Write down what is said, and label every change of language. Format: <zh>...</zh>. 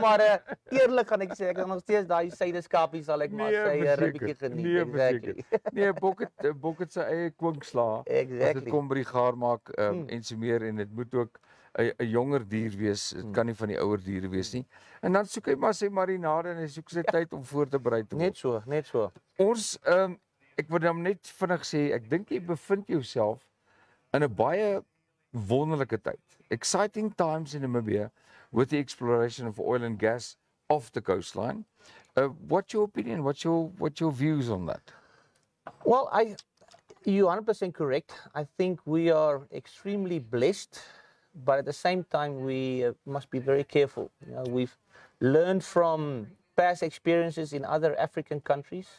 <af>Maar eerlik kan ek sê ek het nog steeds daai syde skapie sal ek nee, maar sê 'n bietjie geniet exactly. Nee, bok het sy eie kwinksla.</af> <en>Exactly.</en> <af>Dit kom by die gaar maak en so meer en dit moet ook 'n jonger dier wees, dit kan nie van die ouer diere wees nie. En dan soek hy maar sy marinade en hy soek sy tyd om voor te berei te word. Net so, net so. Ons ek wil dan net vinnig sê, ek dink jy bevind jouself in 'n baie wonderlike tyd.</af> <en>Exciting times in Namibia with the exploration of oil and gas off the coastline. What's your opinion? What's your views on that? Well, you're 100% correct. I think we are extremely blessed. But at the same time, we must be very careful. You know, we've learned from past experiences in other African countries.</en>